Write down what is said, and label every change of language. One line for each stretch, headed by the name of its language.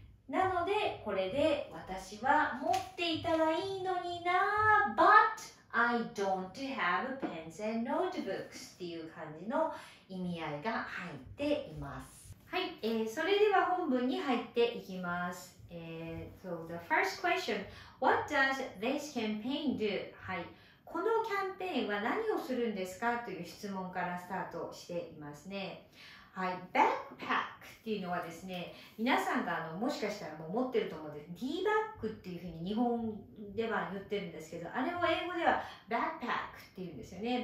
Japanese: なのでこれで私は持っていたらいいのにな
English: But I don't have pens and notebooks
Japanese: っていう感じの意味合いが入っています。はい、それでは本文に入っていきます。
English: So the first question, what does this campaign do?
Japanese: はい、このキャンペーンは何をするんですかという質問からスタートしていますね。はい、バックパックっていうのはですね、皆さんがもしかしたらもう持ってると思うんです。ディーバッグっていうふうに日本では言ってるんですけど、あれを英語ではバックパックっていうんですよね。